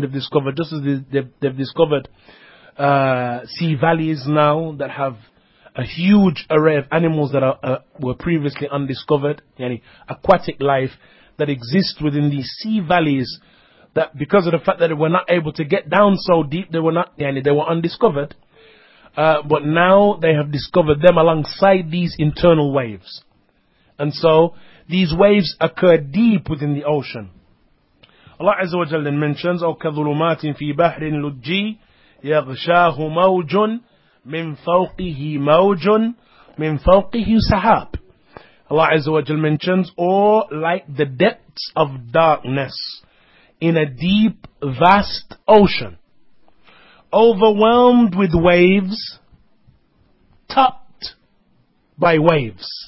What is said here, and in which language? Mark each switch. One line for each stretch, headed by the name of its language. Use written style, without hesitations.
English: They've discovered, just as they've discovered sea valleys now that have a huge array of animals that are were previously undiscovered, yani aquatic life that exists within these sea valleys, that because of the fact that they were not able to get down so deep, they were not yani, they were undiscovered, but now they have discovered them alongside these internal waves. And so these waves occur deep within the ocean. Allah Azza wa Jalla mentions,
Arabic: أَوْ كَظُلُمَاتٍ فِي بَحْرٍ لُجِّي يَغْشَاهُ مَوْجٌ مِنْ فَوْقِهِ مَوْجٌ مِنْ فَوْقِهِ سَحَابٌ.
English: Allah Azza wa Jalla mentions, or like the depths of darkness in a deep, vast ocean, overwhelmed with waves, topped by waves.